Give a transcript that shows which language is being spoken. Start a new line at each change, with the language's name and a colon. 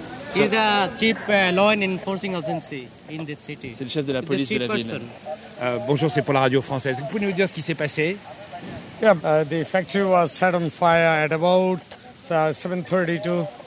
French: C'est
English: the chief law enforcement agency in the city.
French: C'est le chef de la police de la ville. Bonjour, c'est pour la radio française. Vous pouvez nous dire ce qui s'est passé?
English: Yeah, the factory was set on fire at about 7:32.